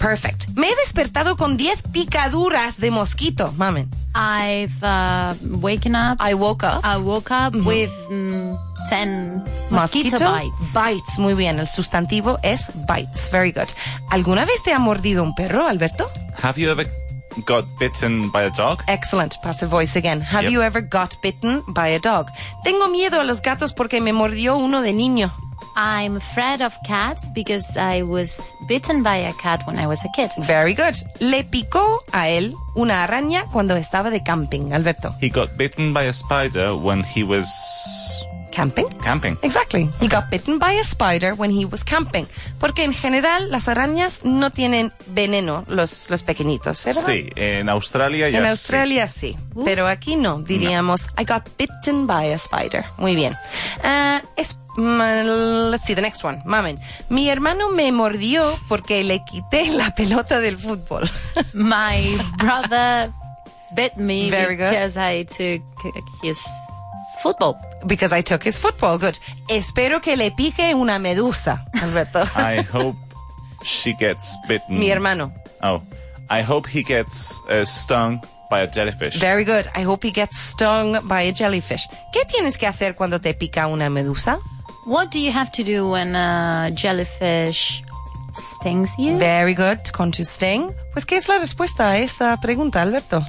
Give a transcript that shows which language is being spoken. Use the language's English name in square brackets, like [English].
[Spanish] Perfect. Me he despertado con 10 picaduras de mosquito, mamen. [English] I woke up with 10 mosquito bites. [Spanish] Bites, muy bien. El sustantivo es bites. [English] Very good. [Spanish] ¿Alguna vez te ha mordido un perro, Alberto? [English] Have you ever got bitten by a dog? Excellent. Passive voice again. Have you ever got bitten by a dog? [Spanish] Tengo miedo a los gatos porque me mordió uno de niño. [English] I'm afraid of cats because I was bitten by a cat when I was a kid. Very good. [Spanish] Le picó a él una araña cuando estaba de camping, Alberto. [English] He got bitten by a spider when he was... camping? Camping. Exactly. He got bitten by a spider when he was camping. [Spanish] Porque en general las arañas no tienen veneno, los pequeñitos, ¿verdad? Sí, en Australia ya sí. En Australia sí, pero aquí no. Diríamos, no. [English] I got bitten by a spider. [Spanish] Muy bien. [English] Let's see, the next one. Mamen. [Spanish] Mi hermano me mordió porque le quité la pelota del fútbol. [English] My brother bit me because I took his... football. Because I took his football. Good. [Spanish] Espero que le pique una medusa, [English] Alberto. I hope she gets bitten. [Spanish] Mi hermano. [English] Oh. I hope he gets stung by a jellyfish. Very good. I hope he gets stung by a jellyfish. [Spanish] ¿Qué tienes que hacer cuando te pica una medusa? [English] What do you have to do when a jellyfish stings you? Very good. [Spanish] Con tu [English] sting. [Spanish] Pues, ¿qué es la respuesta a esa pregunta, Alberto?